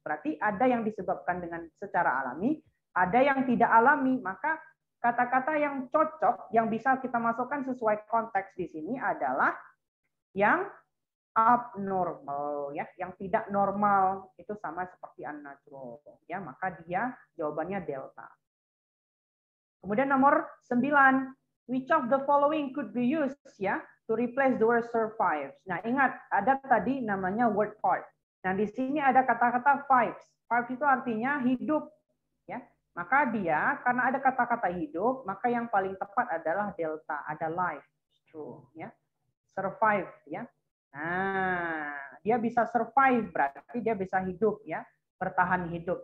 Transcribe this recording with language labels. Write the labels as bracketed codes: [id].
[id] Berarti ada yang disebabkan dengan secara alami, ada yang tidak alami. Maka kata-kata yang cocok yang bisa kita masukkan sesuai konteks di sini adalah yang abnormal ya, yang tidak normal itu sama seperti unnatural ya, maka dia jawabannya delta. Kemudian nomor 9, [en] which of the following could be used ya to replace the word survives. [id] Nah, ingat ada tadi namanya word part. Nah, di sini ada kata-kata fives. Fives itu artinya hidup ya. Maka dia karena ada kata-kata hidup, maka yang paling tepat adalah delta, ada life. True ya. Survive ya. Nah, dia bisa survive berarti dia bisa hidup ya, bertahan hidup.